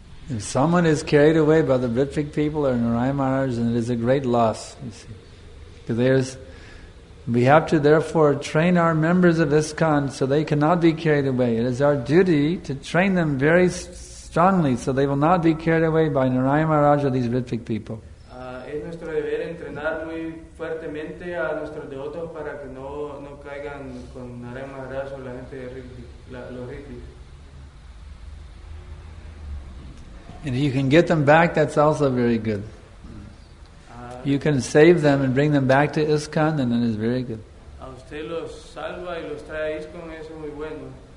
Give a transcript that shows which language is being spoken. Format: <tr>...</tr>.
<en>If someone is carried away by the Vritvik people or Narayana Maharaj, then it is a great loss, you see. Because we have to therefore train our members of ISKCON so they cannot be carried away. It is our duty to train them very strongly so they will not be carried away by Narayana Maharaj or these Vritvik people.</en> <es>Es nuestro deber entrenar muy fuertemente a nuestros devotos para que no caigan con Narayana Maharaj o la gente de Vritvik, los Vritvik.</es> <en>And if you can get them back, that's also very good. you can save them and bring them back to ISKCON, and then it's very good.</en> <es>A usted los salva y los trae a ISKCON, eso es muy bueno.</es>